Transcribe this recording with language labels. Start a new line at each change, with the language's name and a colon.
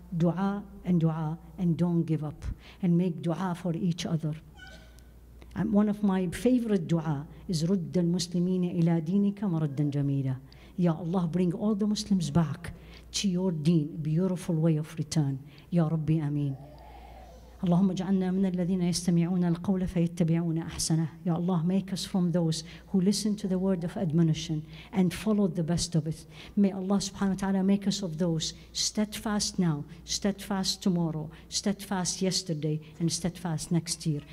English: dua and dua and don't give up and make dua for each other. And one of my favorite dua is
Arabic: رُدَّ الْمُسْلِمِينَ إِلَىٰ دِينِكَ مَرَدًّا جَمِيلًا.
English: Ya Allah, bring all the Muslims back to your deen, beautiful way of return. Ya Rabbi, Ameen.
Arabic: اللهم اجعلنا من الذين يستمعون القول فيتبعون أحسنه.
English: Ya Allah, make us from those who listen to the word of admonition and follow the best of it. May Allah subhanahu wa ta'ala make us of those steadfast now, steadfast tomorrow, steadfast yesterday, and steadfast next year.